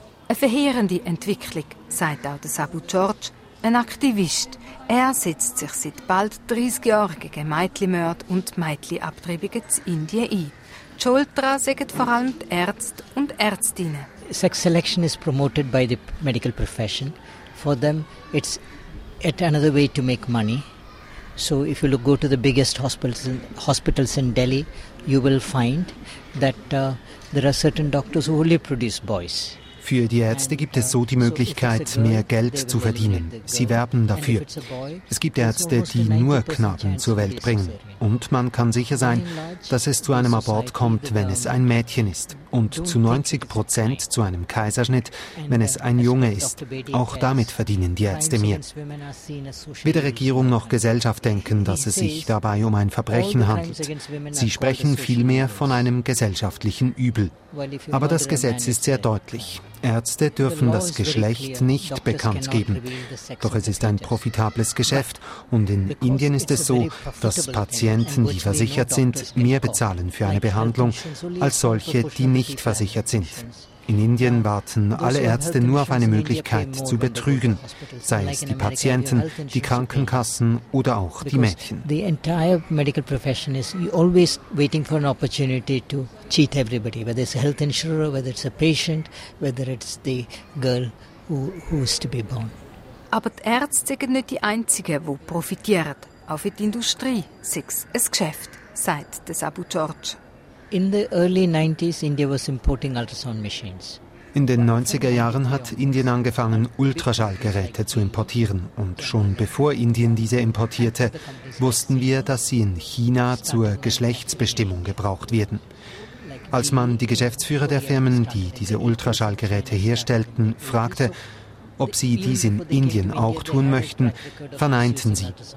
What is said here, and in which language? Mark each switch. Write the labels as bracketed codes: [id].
[de] Eine verheerende Entwicklung, sagt auch der Sabu George, ein Aktivist. Er setzt sich seit bald 30 Jahren gegen Mädchenmord und Mädchenabtreibungen in Indien ein. Die Schuld daran sagen vor allem die Ärzte und Ärztinnen. [en] Sex selection is promoted by the medical profession. For them, it's yet another way to make money. So if you look, go to the biggest hospitals in Delhi, you will find that there are certain doctors who only produce boys. [de] Für die Ärzte gibt es so die Möglichkeit, mehr Geld zu verdienen. Sie werben dafür. Es gibt Ärzte, die nur Knaben zur Welt bringen. Und man kann sicher sein, dass es zu einem Abort kommt, wenn es ein Mädchen ist. Und zu 90% zu einem Kaiserschnitt, wenn es ein Junge ist. Auch damit verdienen die Ärzte mehr. Weder Regierung noch Gesellschaft denken, dass es sich dabei um ein Verbrechen handelt. Sie sprechen vielmehr von einem gesellschaftlichen Übel. Aber das Gesetz ist sehr deutlich. Ärzte dürfen das Geschlecht nicht bekannt geben. Doch es ist ein profitables Geschäft und in Indien ist es so, dass Patienten, die versichert sind, mehr bezahlen für eine Behandlung als solche, die nicht versichert sind. In Indien warten alle Ärzte nur auf eine Möglichkeit zu betrügen, sei es die Patienten, die Krankenkassen oder auch die Mädchen. [en] The entire medical profession is always waiting for an opportunity to cheat everybody, whether it's a health insurer, whether it's a patient, whether it's the girl who is to be born. [de] Aber die Ärzte sind nicht die einzigen, die profitieren. Auch für die Industrie sei es ein Geschäft, sagt das Abu George. [en] In the early 90s, India was importing ultrasound machines. [de] In den 90er Jahren hat Indien angefangen, Ultraschallgeräte zu importieren. Und schon bevor Indien diese importierte, wussten wir, dass sie in China zur Geschlechtsbestimmung gebraucht werden. Als man die Geschäftsführer der Firmen, die diese Ultraschallgeräte herstellten, fragte, ob sie dies in Indien auch tun möchten, verneinten sie.